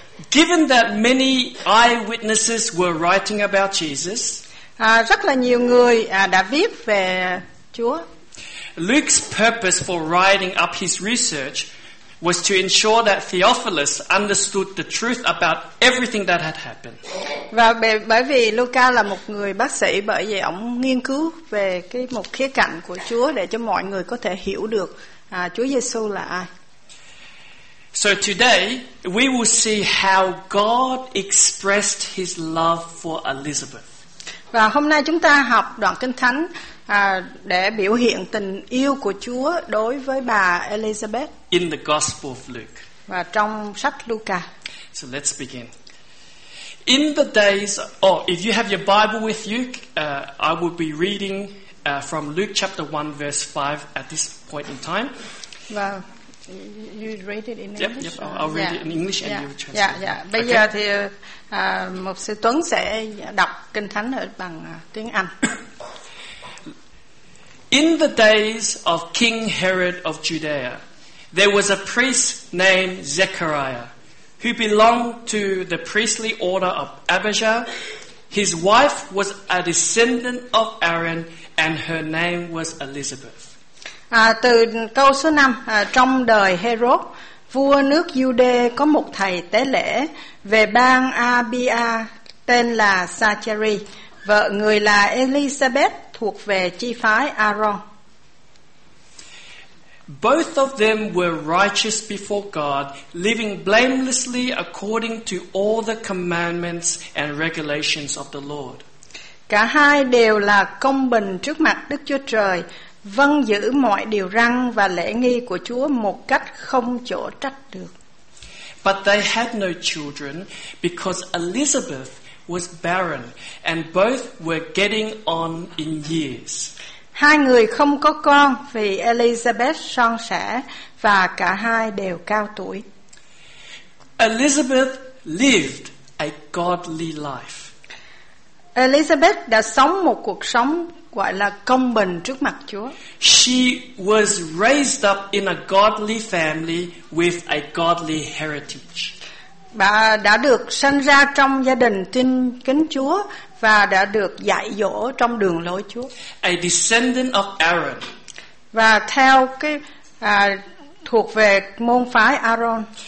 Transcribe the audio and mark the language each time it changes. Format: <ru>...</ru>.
<en>Given that many eyewitnesses were writing about Jesus,</en> <vi>rất là nhiều người đã viết về Chúa.</vi> <en>Luke's purpose for writing up his research was to ensure that Theophilus understood the truth about everything that had happened.</en> <vi>Và bởi vì Luca là một người bác sĩ, bởi vì ông nghiên cứu về cái một khía cạnh của Chúa để cho mọi người có thể hiểu được Chúa Giêsu là ai.</vi> <en>So today we will see how God expressed his love for Elizabeth.</en> <vi>Và hôm nay chúng ta học đoạn Kinh Thánh để biểu hiện tình yêu của Chúa đối với bà Elizabeth.</vi> <en>In the Gospel of Luke.</en> <vi>Và trong sách Luca.</vi> <en>So let's begin. In the days, if you have your Bible with you, I will be reading from Luke chapter 1 verse 5 at this point in time. Và you read it in English. Yep, yep. I'll read it in English and you will translate. Yeah, yeah.</en> <vi>Bây giờ thì Mục sư Tuấn sẽ đọc Kinh Thánh ở bằng tiếng Anh.</vi> <en>In the days of King Herod of Judea, there was a priest named Zechariah, who belonged to the priestly order of Abijah. His wife was a descendant of Aaron, and her name was Elizabeth.</en> <vi>Từ câu số 5, trong đời Herod, vua nước Giu-đê có một thầy tế lễ về bang Abia tên là Zachary, vợ người là Elizabeth, thuộc về chi phái Aaron.</vi> <en>Both of them were righteous before God, living blamelessly according to all the commandments and regulations of the Lord.</en> <vi>Cả hai đều là công bình trước mặt Đức Chúa Trời, vâng giữ mọi điều răn và lễ nghi của Chúa một cách không chỗ trách được.</vi> <en>But they had no children because Elizabeth was barren and both were getting on in years.</en> <vi>Hai người không có con vì Elizabeth son sẻ và cả hai đều cao tuổi.</vi> <en>Elizabeth lived a godly life.</en> <vi>Elizabeth đã sống một cuộc sống gọi là công bình trước mặt Chúa.</vi> <en>She was raised up in a godly family with a godly heritage.</en> <vi>Bà đã được sinh ra trong gia đình tin kính Chúa và đã được dạy dỗ trong đường lối Chúa.</vi> <en>A descendant of Aaron.</en> <vi>Và theo cái thuộc về môn phái Aaron.</vi>